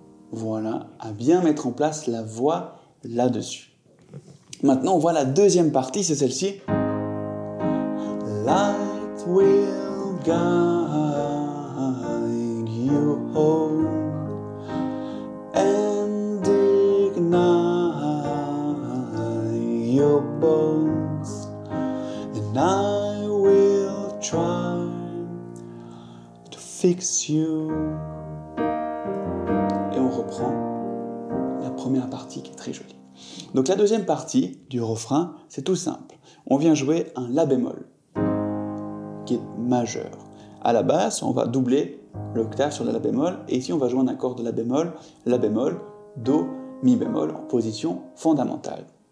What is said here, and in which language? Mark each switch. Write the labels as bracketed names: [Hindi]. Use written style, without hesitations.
[French] Voilà, à bien mettre en place la voix là-dessus. Maintenant, on voit la deuxième partie, c'est celle-ci. [English] Light will guide you home and ignite your bones, and I will try to fix you. [French] Et on reprend la première partie qui est très jolie. Donc la deuxième partie du refrain, c'est tout simple. On vient jouer un La bémol qui est majeur. À la basse, on va doubler l'octave sur la bémol, et ici on va jouer un accord de la bémol, Do, Mi bémol, en position fondamentale.